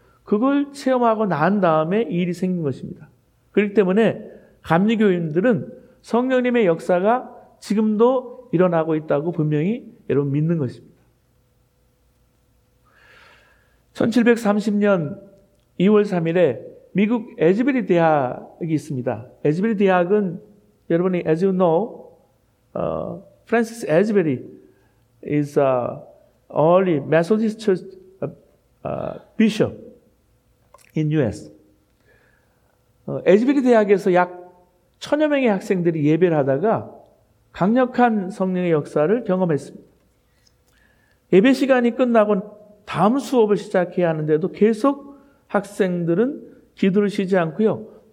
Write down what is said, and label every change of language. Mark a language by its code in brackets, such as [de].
[ko] 그걸 체험하고 난 다음에 일이 생긴 것입니다. 그렇기 때문에 감리교인들은 성령님의 역사가 지금도 일어나고 있다고 분명히 여러분 믿는 것입니다. 1730년 2월 3일에 미국 에즈베리 대학이 있습니다. 에즈베리 대학은 여러분이 [en] as you know, Francis Asbury is a early Methodist church bishop in U.S. [ko] 에즈베리 대학에서 약 천여 명의 학생들이 예배를 하다가 강력한 성령의 역사를 경험했습니다. 예배 시간이 끝나고 다음 수업을 시작해야 하는데도 계속 학생들은 기도를 쉬지 않고요.